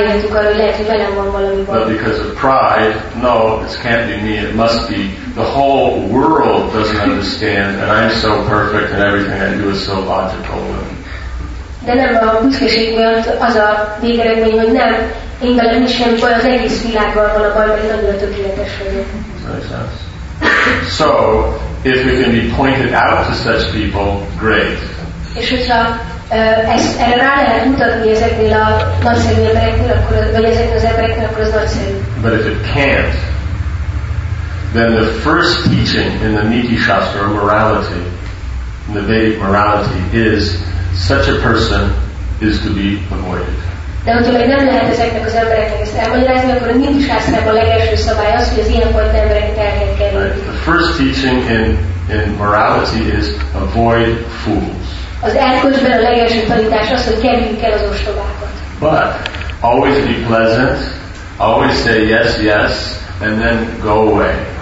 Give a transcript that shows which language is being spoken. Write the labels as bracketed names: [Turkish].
[English] But because of pride, no, this can't be me, it must be. The whole world doesn't understand that I'm so perfect and everything I do is so logical. [Hungarian] De nem a büszkeség miatt az a végeredmény, hogy nem, én velem is nem baj, az egész világban van a baj, mert nagyon tökéletes vagyok. [English] So, if we can be pointed out to such people, great. [Hungarian] És hogyha ezt erre rá lehet mutatni ezeknél a nagyszerű embereknél, akkor, vagy ezeknél az embereknél, akkor az nagyszerű. [English] But if it can't, then the first teaching in the Niti Shastra, morality, in the Vedic morality is such a person is to be avoided. [Hungarian] De hogyha meg nem lehet ezeknek az embereknek ezt elmagyarázni, akkor a mindig sászában a legelső szabály az, hogy az ilyen fajta embereket el kell kerülni. [English] The first teaching in morality is avoid fools. [Hungarian] Az elkölcsben a legelső tanítás az, hogy kerüljük el az ostobákat. [English] But always be pleasant, always say yes, yes, and then go away.